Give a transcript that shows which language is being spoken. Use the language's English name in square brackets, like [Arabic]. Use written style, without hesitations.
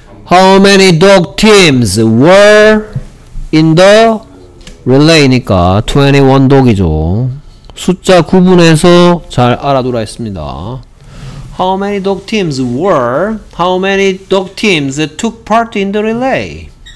[English] How many dog teams were in the relay니까 21 dog이죠. [Korean] 숫자 구분해서 잘 알아두라 했습니다. [English] How many dog teams were? How many dog teams took part in the relay?